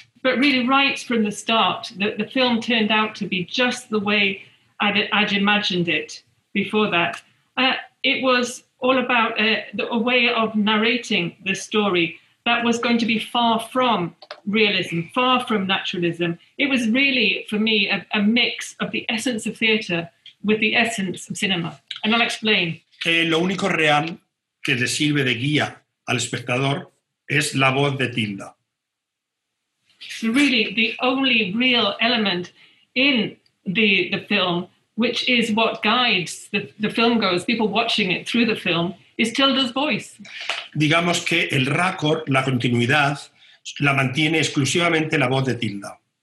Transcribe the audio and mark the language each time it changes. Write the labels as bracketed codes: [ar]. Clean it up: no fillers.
[en] But really, right from the start, the film turned out to be just the way I'd imagined it before that. It was all about a way of narrating the story that was going to be far from realism, far from naturalism. It was really, for me, a mix of the essence of theatre with the essence of cinema. And I'll explain. [es] Lo único real que le sirve de guía al espectador es la voz de Tilda. [en] Really, the only real element in the film, which is what guides the film goes, people watching it through the film, is Tilda's voice. [es] Digamos que el raccord, la continuidad, la mantiene exclusivamente la voz de Tilda.